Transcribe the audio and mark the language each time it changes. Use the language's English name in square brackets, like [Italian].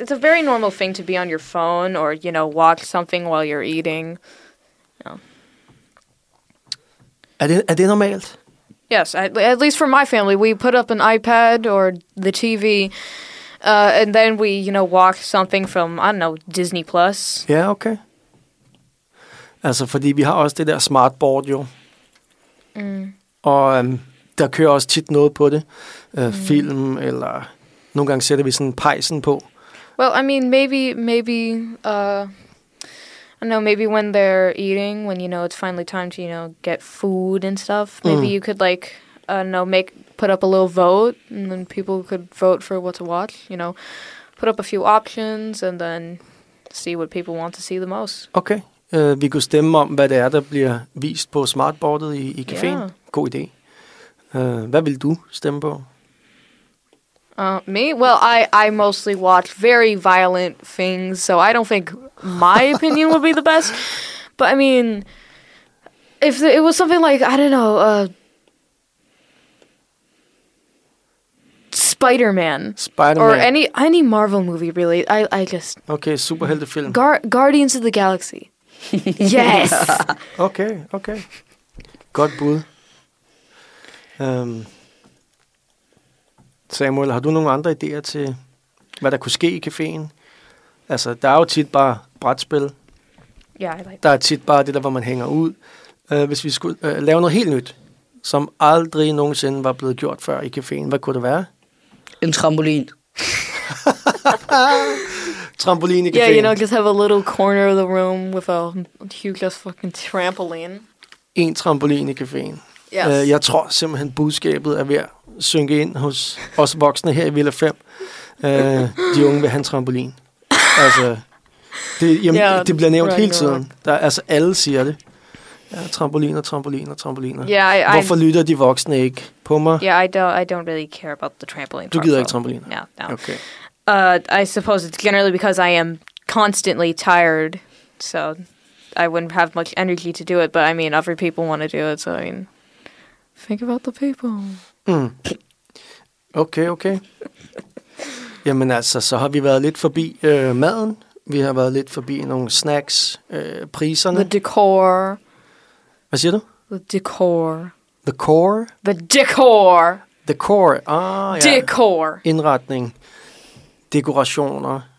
[English] It's a very normal thing to be on your phone or, you know, watch something while you're eating. No. [Danish] Er det normalt? [English] Yes, at least for my family, we put up an iPad or the TV, and then we, you know, walk something from, I don't know, Disney Plus. Ja, yeah, okay. [Danish] Altså, fordi vi har også det der smartboard, jo. Mm. Og der kører også tit noget på det. Film, eller nogle gange sætter vi sådan pejsen på. [English] Well, I mean, maybe when they're eating, when, you know, it's finally time to, you know, get food and stuff, maybe you could, like, put up a little vote, and then people could vote for what to watch, you know, put up a few options, and then see what people want to see the most. Okay. [Danish] Vi kunne stemme om, hvad det er, der bliver vist på smartboardet i caféen. Yeah. God idé. Hvad vil du stemme på? [English] Me? Well, I mostly watch very violent things, so I don't think my opinion would be the best. But, I mean, if it was something like, I don't know, Spider-Man. Or any Marvel movie, really. I just... [Danish] Okay, superhelte film. [English] Guardians of the Galaxy. Yes! [Danish] Okay. Godt bud. Samuel, har du nogle andre idéer til, hvad der kunne ske i caféen? Altså, der er jo tit bare brætspil. [English] Ja, yeah, I like. [Danish] Der er tit bare det der, hvor man hænger ud. Hvis vi skulle lave noget helt nyt, som aldrig nogensinde var blevet gjort før i caféen, hvad kunne det være? En trampolin. Trampolin i caféen. [English] Yeah, you know, just have a little corner of the room with a huge fucking trampoline. [Danish] En trampolin i caféen. [English] Yes. [Danish] Jeg tror simpelthen, budskabet er ved synke ind hos os voksne her i Villa Fem. De unge vil have en trampolin. Altså, det bliver nævnt hele tiden. Der, altså, alle siger det. Ja, trampoliner. [English] Yeah, [Danish] Hvorfor lytter de voksne ikke på mig? [English] Yeah, I don't really care about the trampoline. [Danish] Du gider ikke trampoliner? [English] No. Okay. I suppose it's generally because I am constantly tired, so I wouldn't have much energy to do it, but I mean, other people want to do it, so I mean, think about the people. Okay. [Danish] Jamen altså, så har vi været lidt forbi maden. Vi har været lidt forbi nogle snacks, priserne. [English] The decor. [Danish] Hvad siger du? [English] The decor. The core? The decor. The core, [Danish] ah ja. [English] Decor. [Danish] Indretning. Dekorationer.